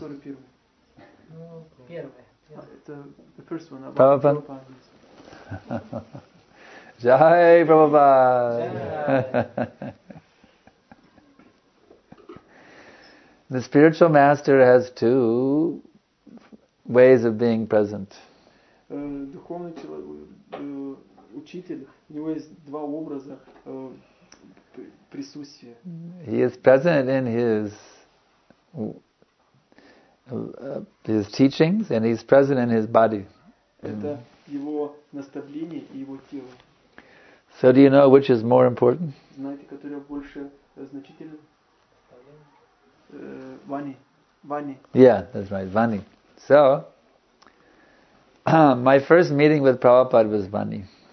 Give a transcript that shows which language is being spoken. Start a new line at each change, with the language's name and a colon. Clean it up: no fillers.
English: The first one. Prabhupada. Jai Prabhupada. The spiritual master has two ways of being present.
Russian: Духовный учитель, у него есть два образа присутствия.
English: He is present in his teachings, and he's present in his body.
Russian: Это его наставление и его тело.
English: So do you know which is more important?
Russian: Знаете, которое больше значительно?
English: Vani. Yeah, that's right, Vani. So, my first meeting with Prabhupada was Vani.